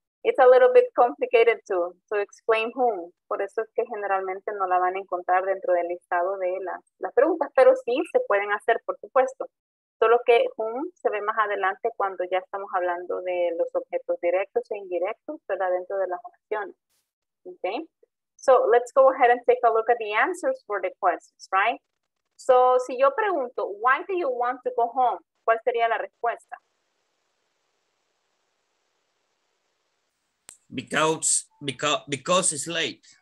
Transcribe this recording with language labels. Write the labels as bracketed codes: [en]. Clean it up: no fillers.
[en] It's a little bit complicated to explain whom. [es] Por eso es que generalmente no la van a encontrar dentro del listado de las preguntas, pero sí se pueden hacer, por supuesto. Solo que whom se ve más adelante cuando ya estamos hablando de los objetos directos e indirectos, ¿verdad? Dentro de las oraciones. Okay. [en] So let's go ahead and take a look at the answers for the questions, right? So [es] si yo pregunto, [en] why do you want to go home? [es] ¿Cuál sería la respuesta? [en] Because it's late.